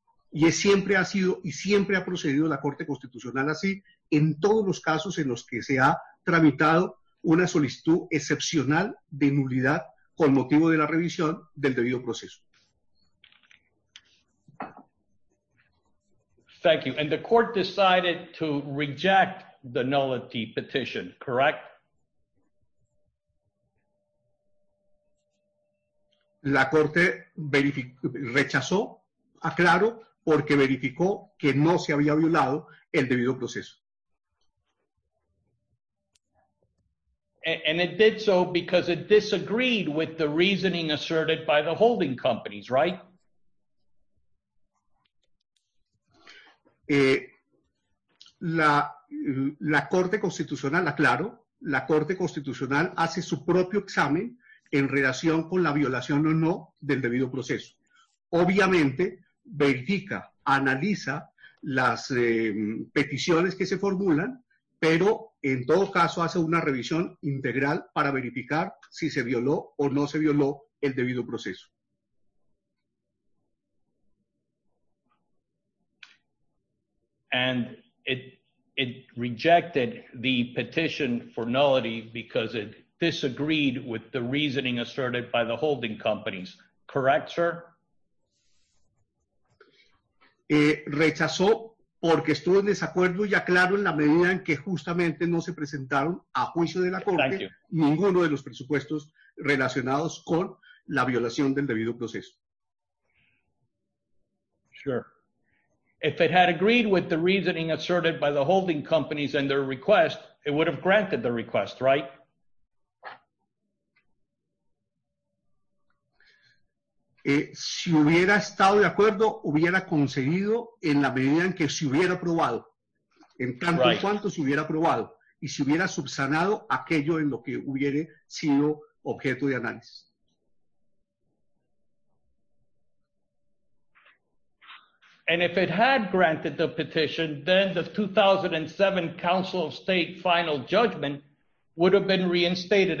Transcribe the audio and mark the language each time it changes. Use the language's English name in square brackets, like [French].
[Spanish] Y siempre ha sido y siempre ha procedido la Corte Constitucional así en todos los casos en los que se ha tramitado una solicitud excepcional de nulidad con motivo de la revisión del debido proceso. [English] Thank you. And the court decided to reject the nullity petition, correct? [Spanish] La corte rechazó, aclaro, porque verificó que no se había violado el debido proceso. [English] And it did so because it disagreed with the reasoning asserted by the holding companies, right? [Spanish] La Corte Constitucional, aclaro, la Corte Constitucional hace su propio examen en relación con la violación o no del debido proceso. Obviamente, verifica, analiza las peticiones que se formulan, pero en todo caso hace una revisión integral para verificar si se violó o no se violó el debido proceso. [English] And it rejected the petition for nullity because it disagreed with the reasoning asserted by the holding companies. Correct, sir? [Spanish] Rechazó porque estuvo en desacuerdo y aclaró en la medida en que justamente no se presentaron a juicio de la Corte ninguno de los presupuestos relacionados con la violación del debido proceso. [English] Sure. If it had agreed with the reasoning asserted by the holding companies and their request, it would have granted the request, right? [Spanish] Si hubiera estado de acuerdo, hubiera concedido en la medida en que se hubiera aprobado, en tanto right. cuanto se hubiera aprobado, y se hubiera subsanado aquello en lo que hubiere sido objeto de análisis. [English] And if it had granted the petition, then the 2007 Council of State final judgment would have been reinstated.